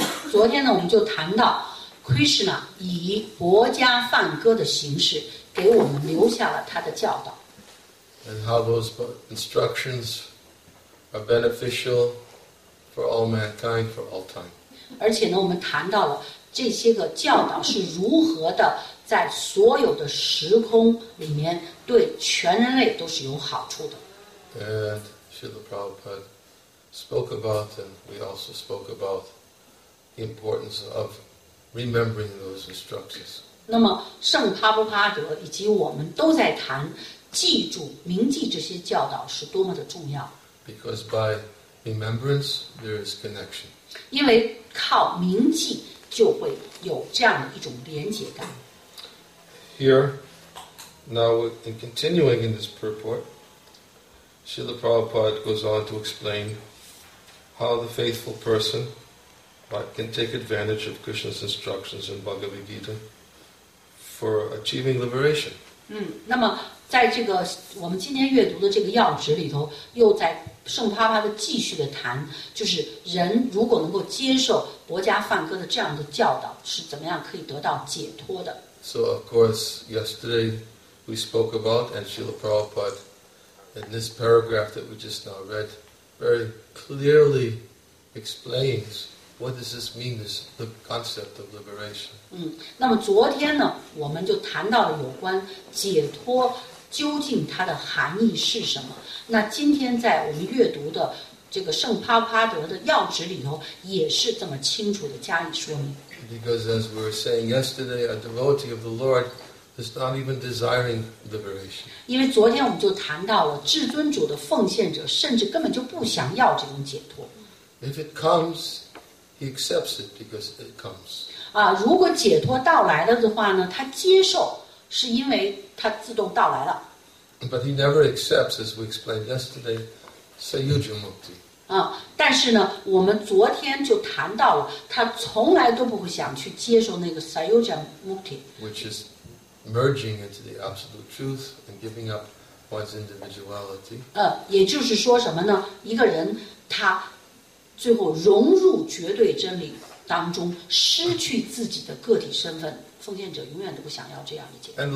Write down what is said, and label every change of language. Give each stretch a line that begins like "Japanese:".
Chinese: 昨天呢，我们就谈到 Krishna 以薄伽梵歌的形式给我们留下了他的教导。
English: And how those instructions are beneficial for all mankind for all time.
Chinese: 而且呢，我们谈到了这些个教导是如何的在所有的时空里面对全人类都是有好处的。
English: And Srila Prabhupada spoke about, and we also spoke about, the importance of remembering those instructions.
Chinese: 那么圣帕布帕德以及我们都在谈记住、铭记这些教导是多么的重要。
English: Because by remembrance, there is connection.
Chinese: 因为靠铭记就会有这样的一种连结感。
English: Here, now in continuing in this purport, Srila Prabhupada goes on to explain how the faithful person can take advantage of Krishna's instructions in Bhagavad Gita for achieving liberation.
Chinese: 那么在这个我们今天阅读的这个要旨里头，又在圣啪啪的继续的谈，就是人如果能够接受薄伽梵歌的这样的教导，是怎么样可以得到解脱的。
English: So of course, yesterday we spoke about and Srila Prabhupada in this paragraph that we just now read very clearly explains what does this mean, this concept of liberation.
Chinese: 那么昨天呢，我们就谈到了有关解脱究竟它的含义是什么。那今天在我们阅读的这个圣帕帕德的要旨里头，也是这么清楚的加以说明。
English: Because as we were saying yesterday, a devotee of the Lord is not even desiring liberation.
Chinese: 因为昨天我们就谈到了至尊主的奉献者甚至根本就不想要这种解脱。
English: If it comes, he accepts it because it comes.
Chinese: 如果解脱到来了的话呢，他接受是因为他自动到来了。
English: But he never accepts, as we explained yesterday, Sayujya Mukti.
Chinese: 但是呢，我们昨天就谈到了，他从来都不会想去接受那个 Sayujya Mukti.
English: Which is merging into the absolute truth and giving up one's individuality.
Chinese: 也就是说什么呢？一个人他最后融入绝对真理当中，失去自己的个体身份，奉献者永远都不想要这样的解脱。